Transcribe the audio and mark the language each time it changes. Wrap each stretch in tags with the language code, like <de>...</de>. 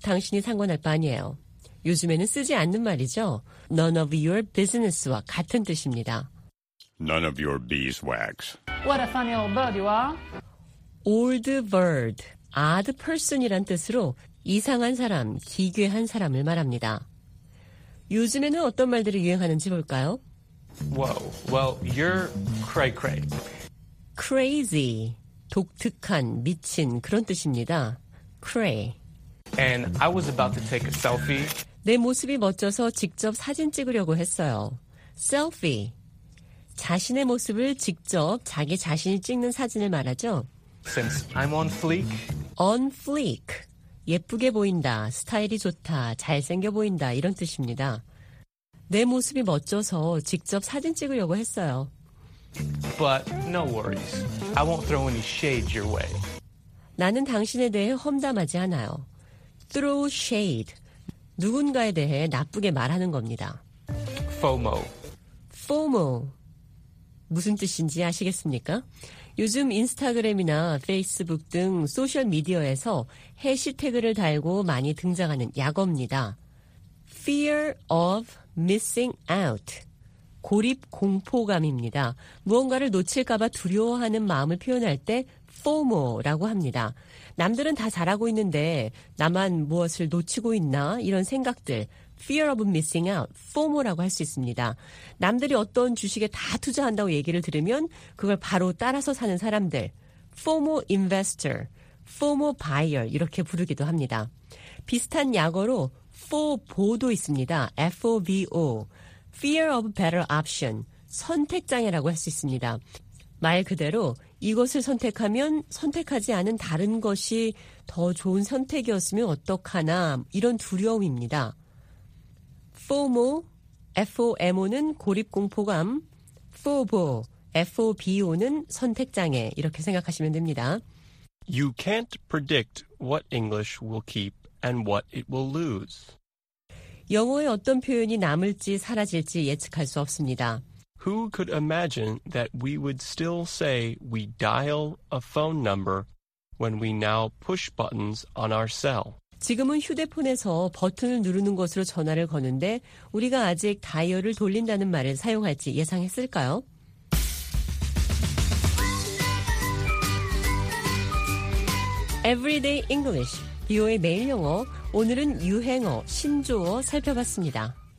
<ko>당신이 상관할 바 아니에요. 요즘에는 쓰지 않는 말이죠.</ko> <en>None of your business와</en> <ko>같은 뜻입니다.</ko> <en>None of your beeswax. What a funny old bird you are. Old bird, odd person</en> <ko>이란 뜻으로 이상한 사람, 기괴한 사람을 말합니다. 요즘에는 어떤 말들이 유행하는지 볼까요?</ko> <en>Whoa, well, you're cray-cray.</en> <ko>Crazy, 독특한, 미친 그런 뜻입니다.</ko> <en>Cray. And I was about to take a selfie.</en> <ko>내 모습이 멋져서 직접 사진 찍으려고 했어요.</ko> <en>Selfie.</en> <ko>자신의 모습을 직접 자기 자신이 찍는 사진을 말하죠.</ko> <en>Since I'm on fleek. On fleek.</en> <ko>예쁘게 보인다, 스타일이 좋다, 잘생겨 보인다 이런 뜻입니다. 내 모습이 멋져서 직접 사진 찍으려고 했어요.</ko> <en>But no worries. I won't throw any shade your way.</en> <ko>나는 당신에 대해 험담하지 않아요.</ko> <en>Throw shade.</en> <ko>누군가에 대해 나쁘게 말하는 겁니다.</ko> <en>FOMO. FOMO.</en> <ko>무슨 뜻인지 아시겠습니까? 요즘 인스타그램이나 페이스북 등 소셜미디어에서 해시태그를 달고 많이 등장하는 약어입니다.</ko> <en>Fear of missing out.</en> <ko>고립 공포감입니다. 무언가를 놓칠까봐 두려워하는 마음을 표현할 때 FOMO라고 합니다. 남들은 다 잘하고 있는데 나만 무엇을 놓치고 있나 이런 생각들.</ko> <en>Fear of missing out, FOMO라고</en> <ko>할 수 있습니다. 남들이 어떤 주식에 다 투자한다고 얘기를 들으면 그걸 바로 따라서 사는 사람들, FOMO investor, FOMO buyer 이렇게 부르기도 합니다. 비슷한 약어로 FOBO도 있습니다.</ko> <en>FOBO, Fear of better option, 선택장애라고</en> <ko>할 수 있습니다. 말 그대로 이것을 선택하면 선택하지 않은 다른 것이 더 좋은 선택이었으면 어떡하나 이런 두려움입니다. FOMO, FOMO는 고립공포감, FOBO, FOBO는 선택장애 이렇게 생각하시면 됩니다.</ko> <en>You can't predict what English will keep and what it will lose.</en> <ko>영어의 어떤 표현이 남을지 사라질지 예측할 수 없습니다.</ko> <en>Who could imagine that we would still say we dial a phone number when we now push buttons on our cell?</en> <ko>지금은 휴대폰에서 버튼을 누르는 것으로 전화를 거는데 우리가 아직 다이얼을 돌린다는 말을 사용할지 예상했을까요? 에브리데이 잉글리시, 비오의 매일 영어, 오늘은 유행어, 신조어 살펴봤습니다.</ko>